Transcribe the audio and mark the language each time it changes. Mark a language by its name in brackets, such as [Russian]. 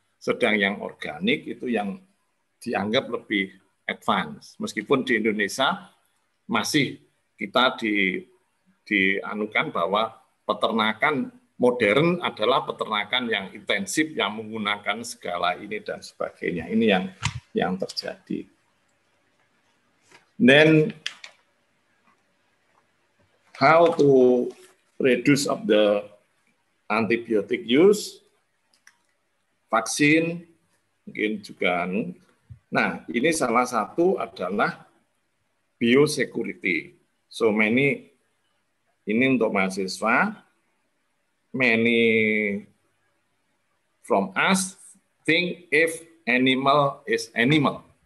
[Indonesian] Sedang yang organik itu yang dianggap lebih advance. Meskipun di Indonesia masih kita dianukan bahwa peternakan modern adalah peternakan yang intensif, yang menggunakan segala ini dan sebagainya. Ini yang terjadi. [English] Then, how to reduce of the antibiotic use? [Indonesian] Vaksin, mungkin juga. Nah, ini salah satu adalah biosecurity. [English] So many, [Indonesian] ini untuk mahasiswa, [English] many from us think if animal is animal.